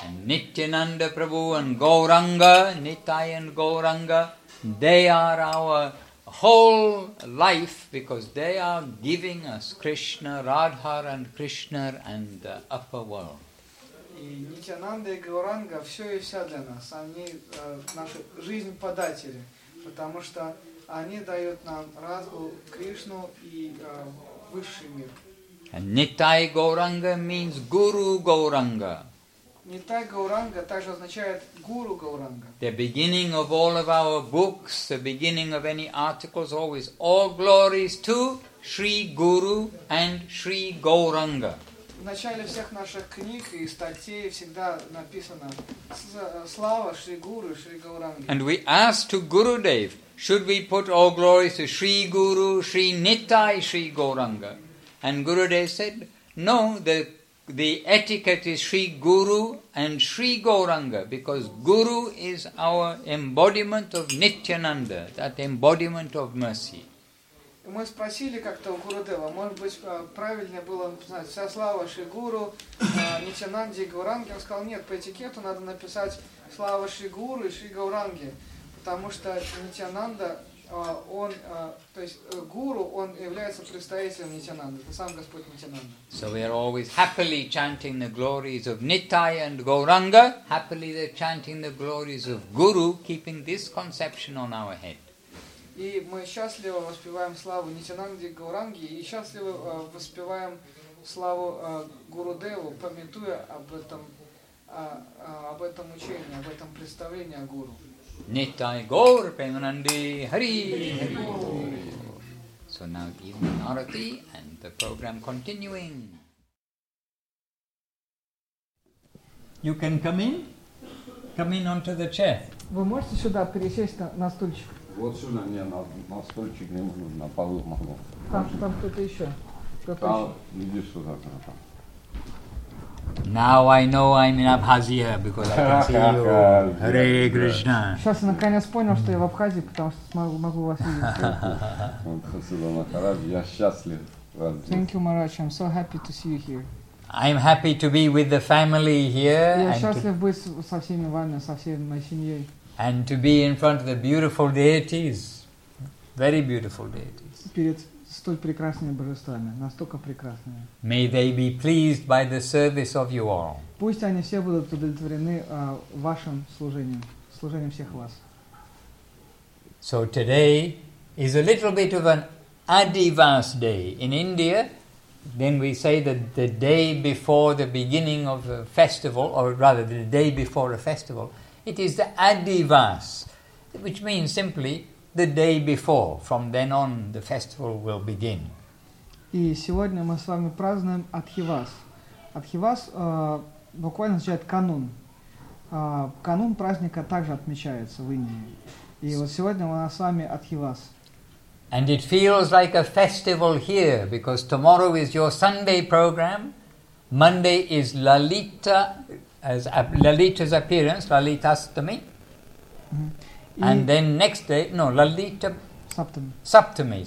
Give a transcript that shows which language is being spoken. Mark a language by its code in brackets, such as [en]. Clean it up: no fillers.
[en] Nityananda Prabhu and Gauranga Nitya and Gauranga they are our whole life because they are giving us Krishna రాధార్ and Krishna and upper world. [ru] И Нитянанда и Гауранга все и вся для нас. Они наши жизнь-податели, потому что они дают нам разум, Кришну и высший мир. [en] Нитай Гауранга means Гуру Гауранга. [ru] Нитай Гауранга также означает Гуру Гауранга. [en] The beginning of all of our books, the beginning of any articles always all glories to Sri Guru and Sri Гауранга. [ru] В начале всех наших книг и статей всегда написано слава Шри Гуру, Шри Гауранге. [en] And we ask to Gurudev, should we put all glories to Shri Guru, Shri Nitai, Shri Gauranga? And Gurudev said, no, the etiquette is Shri Guru and Shri Gauranga, because Guru is our embodiment of Nityananda, that embodiment of mercy. [ru] Мы спросили как-то у Гурудева, может быть, правильнее было написать вся слава Шри Гуру, Нитянанде и Гауранге. Он сказал, нет, по этикету надо написать слава Шри Гуру и Шри Гауранге, потому что Нитянанда, он, то есть Гуру, он является представителем Нитянанды, это сам Господь Нитянанда. [en] So we are always happily chanting the glories of Nitai and Gauranga, happily they're chanting the glories of Guru, keeping this conception on our head. [ru] И мы счастливо воспеваем славу Нитянанде и Гауранге, и счастливо воспеваем славу Гурудеву, памятуя об этом учении, об этом представлении о Гуру. [bn] Нитай Гаур Пеманди Хари. [en] So now evening arati and the program continuing. You can come in. Come in onto the chair. [ru] Вы можете сюда пересесть на стульчик? Вот сюда, не, на стульчик не могу, на полу могу. Там кто-то еще. Там, иди сюда, там. [en] Now I know I'm in Abkhazia, because I can see you. Hare Krishna. [ru] Сейчас я наконец понял, что я в Абхазии, потому что могу вас видеть. Спасибо, Махарадж, я счастлив. [en] Thank you, Maharaj, I'm so happy to see you here. I'm happy to be with the family here. [ru] Я счастлив быть со всеми вами, со всей моей семьей. [en] And to be in front of the beautiful deities, very beautiful deities. [ru] Перед столь прекрасными божествами, настолько прекрасными. [en] May they be pleased by the service of you all. [ru] Пусть они все будут удовлетворены вашим служением, служением всех вас. [en] So today is a little bit of an Adivas day. In India, then we say that the day before the beginning of a festival, or rather the day before a festival, it is the Adivas, which means simply the day before. From then on, the festival will begin. [ru] И сегодня мы с вами празднуем Адхивас. Адхивас буквально означает канун. Канун праздника также отмечается в Индии. И вот сегодня у нас с вами Адхивас. [en] And it feels like a festival here, because tomorrow is your Sunday program. Monday is Lalita. As Lalita's appearance, Lalita Astami, mm-hmm. And then next day, no, Lalita Saptami.